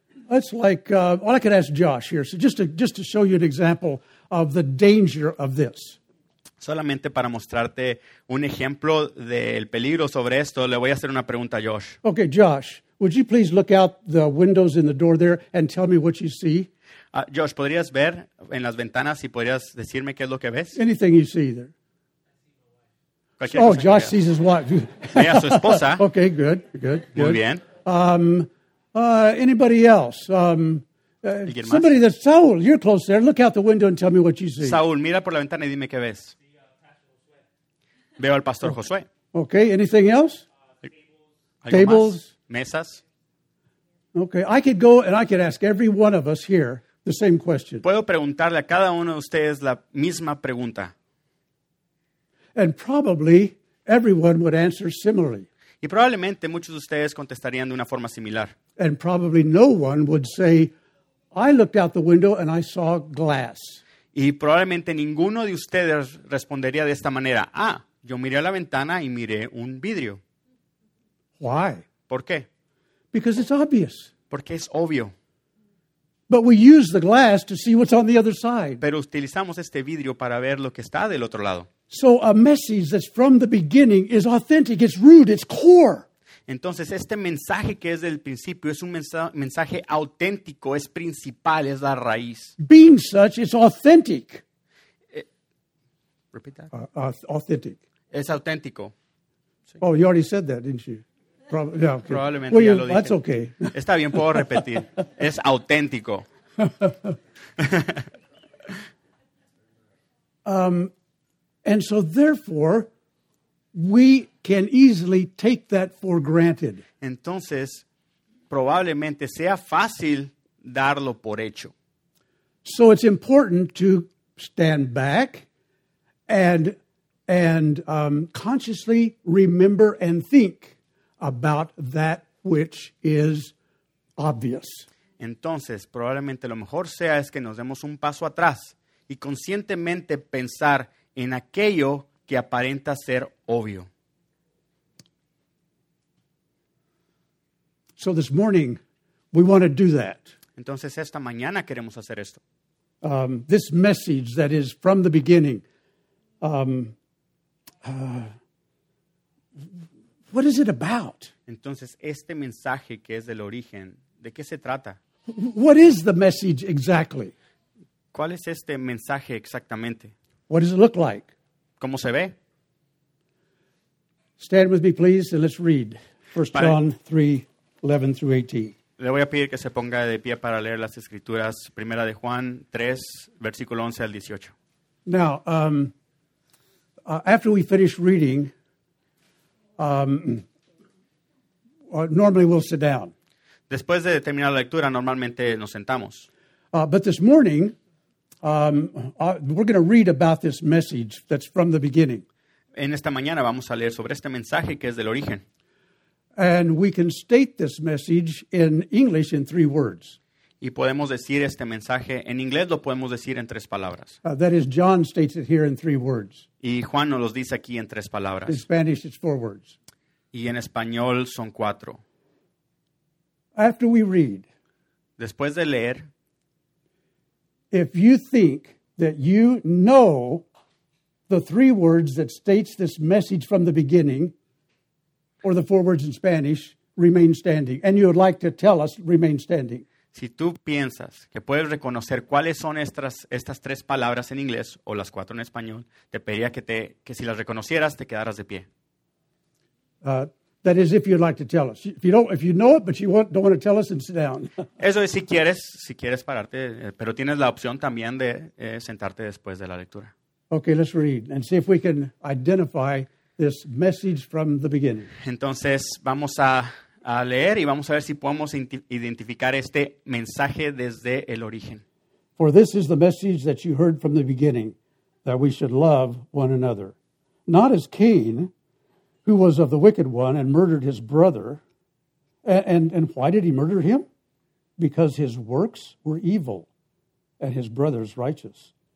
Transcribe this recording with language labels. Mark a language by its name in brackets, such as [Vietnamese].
[English] I could ask Josh here, so just to show you an example of the danger of this. [Spanish] Solamente para mostrarte un ejemplo del peligro sobre esto, le voy a hacer una pregunta a Josh. [English] Okay, Josh, would you please look out the windows in the door there and tell me what you see? [Spanish] Josh, ¿podrías ver en las ventanas y podrías decirme qué es lo que ves? [English] Anything you see there. Oh, Josh sees his wife. [Spanish] Ve a su esposa. [English] Okay, good, good, good. [Spanish] Muy bien. [English] Anybody else? Somebody that's Saul. You're close there. Look out the window and tell me what you see. [Spanish] Saul, mira por la ventana y dime qué ves. Veo al pastor Josué. [English] Okay, anything else? Tables. [Spanish] Mesas. [English] Okay, I could go and I could ask every one of us here the same question. [Spanish] Puedo preguntarle a cada uno de ustedes la misma pregunta. [English] And probably everyone would answer similarly. [Spanish] Y probablemente muchos de ustedes contestarían de una forma similar. [English] And probably no one would say, I looked out the window and I saw glass. [Spanish] Y probablemente ninguno de ustedes respondería de esta manera. Ah, yo miré a la ventana y miré un vidrio. [English] Why? [Spanish] ¿Por qué? [English] Because it's obvious. [Spanish] Porque es obvio. [English] But we use the glass to see what's on the other side. [Spanish] Pero utilizamos este vidrio para ver lo que está del otro lado. [English] So a message that's from the beginning is authentic, it's root, it's core. [Spanish] Entonces, este mensaje que es del principio es un mensaje auténtico, es principal, es la raíz. [English] Being such, it's authentic. Repeat that. Authentic. [Spanish] Es auténtico. [English] Oh, you already said that, didn't you? [Spanish] Okay. Probablemente well, ya lo dije. [English] That's okay. [Spanish] Está bien, puedo repetir. Es auténtico. [English] And so therefore, we can easily take that for granted. [Spanish] Entonces, probablemente sea fácil darlo por hecho. [English] So it's important to stand back and consciously remember and think about that which is obvious. [Spanish] Entonces, probablemente lo mejor sea es que nos demos un paso atrás y conscientemente pensar en aquello que aparenta ser obvio. [English] So this morning, we want to do that. [Spanish] Entonces, esta mañana queremos hacer esto. [English] This message that is from the beginning. What is it about? [Spanish] Entonces, este mensaje que es del origen, ¿de qué se trata? [English] What is the message exactly? [Spanish] ¿Cuál es este mensaje exactamente? [English] What does it look like? [Spanish] ¿Cómo se ve? [English] Stand with me, please, and let's read 1 John 3:11-18. [Spanish] Le voy a pedir que se ponga de pie para leer las escrituras. Primera de Juan 3, versículo 11 al 18. [English] Now, after we finish reading, normally we'll sit down. [Spanish] Después de terminar la lectura, normalmente nos sentamos. [English] But this morning, we're going to read about this message that's from the beginning. [Spanish] En esta mañana vamos a leer sobre este mensaje que es del origen. [English] And we can state this message in English in three words. [Spanish] y podemos decir este mensaje en inglés, lo podemos decir en tres palabras. [English] That is, John states it here in three words. [Spanish] Y Juan nos los dice aquí en tres palabras. [English] In Spanish, it's four words. [Spanish] Y en español son cuatro. [English] After we read, [Spanish] después de leer, [English] if you think that you know the three words that states this message from the beginning, or the four words in Spanish, remain standing. And you would like to tell us, remain standing. [Spanish] Si tú piensas que puedes reconocer cuáles son estas tres palabras en inglés o las cuatro en español, te pediría que si las reconocieras, te quedaras de pie. [English] That is, if you'd like to tell us. If you know it, but you don't want to tell us, then sit down. [Spanish] Eso es si quieres pararte, pero tienes la opción también de sentarte después de la lectura. [English] Okay, let's read and see if we can identify this message from the beginning. [Spanish] Entonces, vamos a leer y vamos a ver si podemos identificar este mensaje desde el origen. [English] For this is the message that you heard from the beginning, that we should love one another. Not as Cain, who was of the wicked one and murdered his brother. And why did he murder him? Because his works were evil and his brother's righteous.